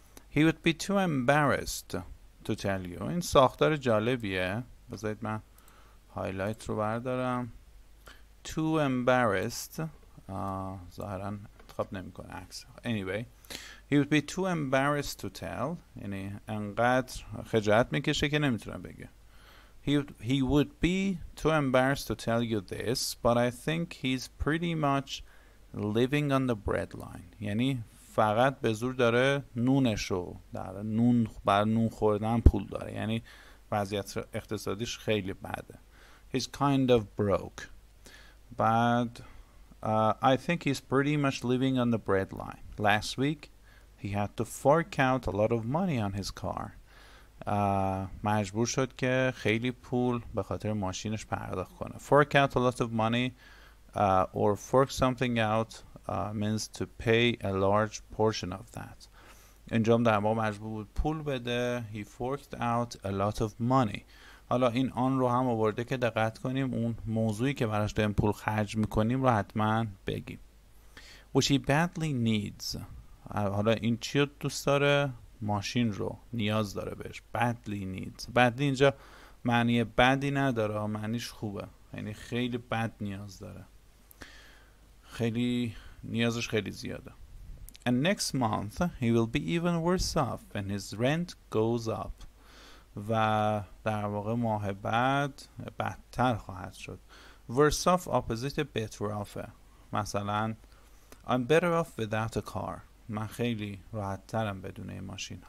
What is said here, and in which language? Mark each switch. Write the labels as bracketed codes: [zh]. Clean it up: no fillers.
[en] He would be too embarrassed to tell you. [fa] این ساختار جالبیه. بذارید من هایلایت رو بردارم. [en] Too embarrassed. [fa] ظاهراً انتخاب نمی کنه عکس. [en] Anyway. He would be too embarrassed to tell. [fa] یعنی انقدر خجالت میکشه که نمیتونه بگه. [en] He would be too embarrassed to tell you this. But I think he's pretty much living on the bread line. [fa] یعنی فقط به زور داره نونشو. داره نون بر نون خوردن پول داره. یعنی وضعیت اقتصادیش خیلی بده. [en] He's kind of broke. But I think he's pretty much living on the bread line. Last week, he had to fork out a lot of money on his car. [fa] مجبور شد که خیلی پول به خاطر ماشینش پرداخت کنه. [en] Fork out a lot of money or fork something out means to pay a large portion of that. [fa] انجام در واقع مجبور بود پول بده. [en] He forked out a lot of money. [fa] حالا این آن رو هم آورده که دقت کنیم اون موضوعی که براش داریم پول خرج میکنیم رو حتما بگیم. [en] Which he badly needs. [fa] حالا این چی رو دوست داره؟ ماشین رو. نیاز داره بهش. [en] Badly needs. [fa] Badly اینجا معنی بدی نداره، معنیش خوبه، یعنی خیلی بد نیاز داره، خیلی نیازش خیلی زیاده. [en] And next month he will be even worse off when his rent goes up. [fa] و در واقع ماه بعد بدتر خواهد شد. [en] Worse off opposite better off. مثلا I'm better off without a car. [fa] من خیلی راحت ترم بدون این ماشین.